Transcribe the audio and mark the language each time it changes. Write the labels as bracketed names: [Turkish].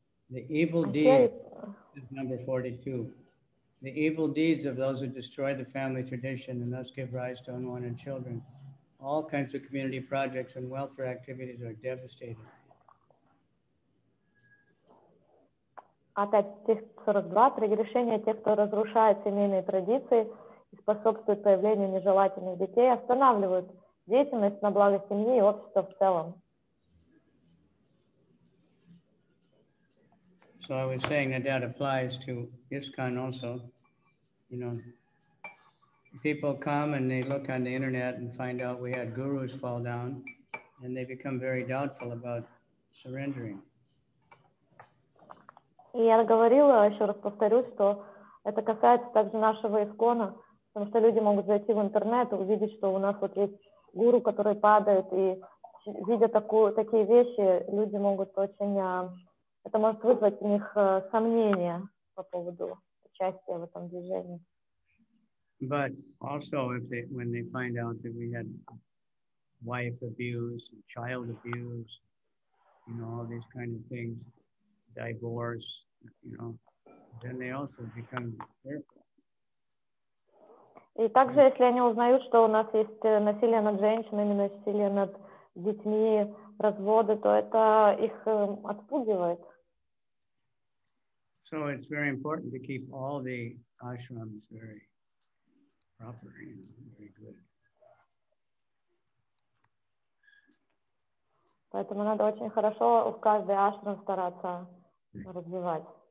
[English] The evil deeds of those who destroy the family tradition and thus give rise to unwanted children. All kinds of community projects and welfare activities are devastated. [Russian] Опять стих 42. Прегрешение тех, кто разрушает семейные традиции и способствует появлению нежелательных детей, останавливают деятельность на благо семьи и общества в целом. [English] So I was saying that applies to ISKCON also. You know, people come and they look on the internet and find out we had gurus fall down and they become very doubtful about surrendering. [Russian] И я говорила, еще раз повторюсь, что это касается также нашего ИСКОНа, потому что люди могут зайти в интернет и увидеть, что у нас вот есть гуру, который падает, и видя такие вещи, люди могут очень... Это может вызвать у них сомнения по поводу участия в этом движении. [English] But also when they find out that we had wife abuse, child abuse, you know, all these kind of things, divorce, you know, then they also become fearful. [Russian] И также, если они узнают, что у нас есть насилие над женщинами, насилие над детьми, разводы, то это их отпугивает. [English] So it's very important to keep all the ashrams very proper and very good. [Russian] Поэтому надо очень хорошо в каждый ашрам стараться развивать.